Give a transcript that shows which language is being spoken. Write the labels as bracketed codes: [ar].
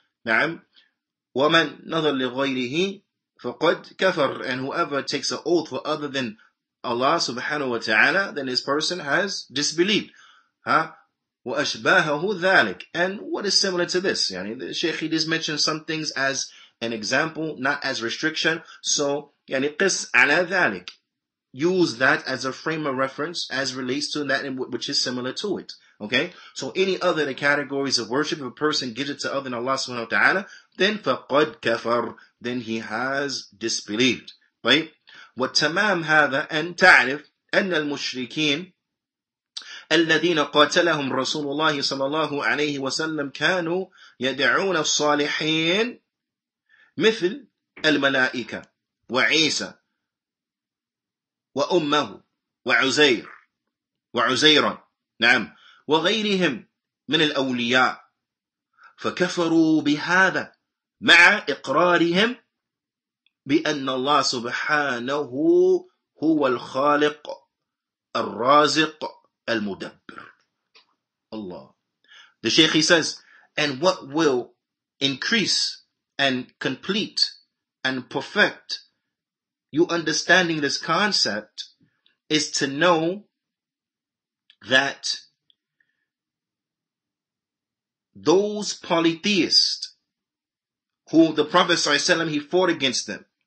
[ar] نعم. وَمَنْ نَظَرْ لِغَيْرِهِ فَقَدْ كَفَرْ. [en] And whoever takes an oath for other than Allah subhanahu wa ta'ala, then this person has disbelieved. [ar] Huh? وَأَشْبَاهَهُ ذَلِكَ. [en] And what is similar to this? Yani the Shaykh, he just mentioned some things as an example, not as restriction. [ar] So, yani قِسْ عَلَى ذَلِكَ. [en] Use that as a frame of reference as relates to that which is similar to it. Okay? So any other the categories of worship, if a person gives it to other than Allah subhanahu wa ta'ala, then [ar] فَقَدْ كَفَرْ. [en] Then he has disbelieved. Right? [ar] وتمام هذا أن تعرف أن المشركين الذين قاتلهم رسول الله صلى الله عليه وسلم كانوا يدعون الصالحين مثل الملائكة وعيسى وأمه وعزيرا نعم وغيرهم من الأولياء فكفروا بهذا مع إقرارهم بأن الله سبحانه هو الخالق الرازق المدبر. Allah. [en] The Shaykh, he says, and what will increase and complete and perfect you understanding this concept is to know that those polytheists who the Prophet Sallallahu Alaihi Wasallam, he fought against them,